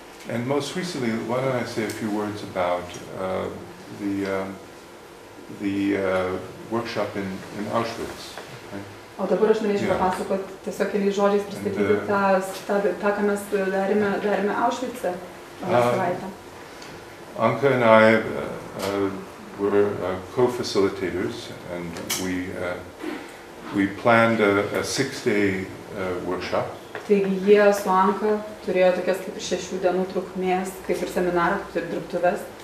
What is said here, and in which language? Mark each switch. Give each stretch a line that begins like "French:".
English: And most recently, why don't I say a few words about the workshop in Auschwitz?
Lithuanian: O dabar aš norėčiau papasakot tiesiog keliais žodžiais pristatyti tą, ką mes darėme Auschwitz'e vieną savaitę.
English: Anka and I were co-facilitators and we planned a 6-day workshop.
Lithuanian: Taigi jie su Anka turėjo tokias kaip ir 6 dienų trukmės, kaip ir seminarą, kaip ir dirbtuves.